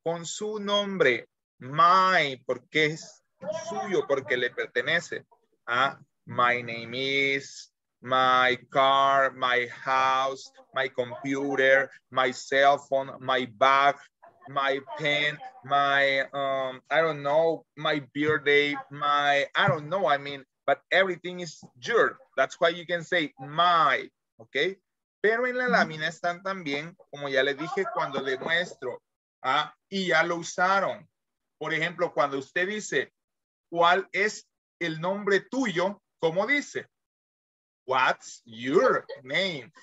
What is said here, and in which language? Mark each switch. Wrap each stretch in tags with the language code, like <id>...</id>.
<es>Con su nombre, my, porque es suyo, porque le pertenece.</es> <en>Ah, my name is, my car, my house, my computer, my cell phone, my bag, my pen, my, I don't know, my birthday, my, I don't know, I mean, but everything is your. That's why you can say my, okay?</en> <es>Pero en la lámina están también, como ya le dije, cuando le muestro, ¿ah? Y ya lo usaron. Por ejemplo, cuando usted dice, ¿cuál es el nombre tuyo? ¿Cómo dice?</es> <en>What's your name?</en>